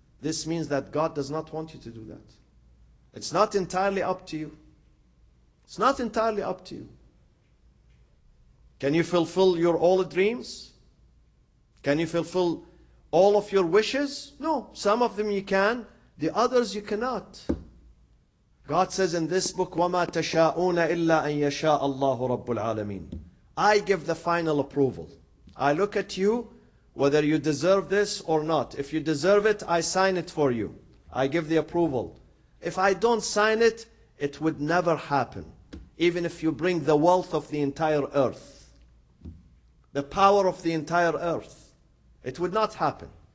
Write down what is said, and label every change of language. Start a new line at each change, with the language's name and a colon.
English: This means that God does not want you to do that. It's not entirely up to you. It's not entirely up to you. Can you fulfill your all dreams? Can you fulfill all of your wishes? No, some of them you can, the others you cannot. God says in this book,
Arabic: وَمَا تَشَاءُونَ إِلَّا أَن يَشَاءَ اللَّهُ رَبُّ الْعَالَمِينَ.
English: I give the final approval. I look at you, whether you deserve this or not. If you deserve it, I sign it for you. I give the approval. If I don't sign it, it would never happen. Even if you bring the wealth of the entire earth, the power of the entire earth, it would not happen.